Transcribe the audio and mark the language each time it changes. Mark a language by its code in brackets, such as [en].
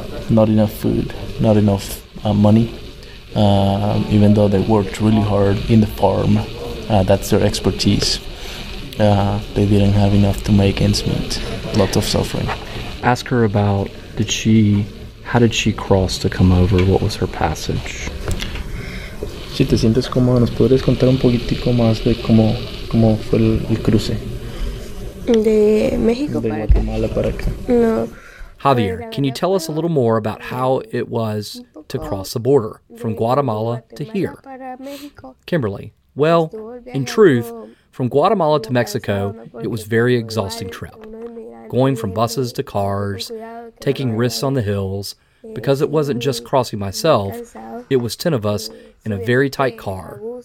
[en] Not enough food, not enough money, even though they worked really hard in the farm. That's their expertise. They didn't have enough to make ends meet. Lots of suffering. Ask her about, how did she cross to come over? What was her passage? [es] Si te sientes cómodo, ¿nos podrías contar un poquitico más de cómo fue el cruce? De México de Guatemala para acá. No. [en] Javier, can you tell us a little more about how it was to cross the border from Guatemala to here? Kimberly, well, in truth, from Guatemala to Mexico, it was a very exhausting trip. Going from buses to cars, taking risks on the hills, because it wasn't just crossing myself, it was 10 of us in a very tight car.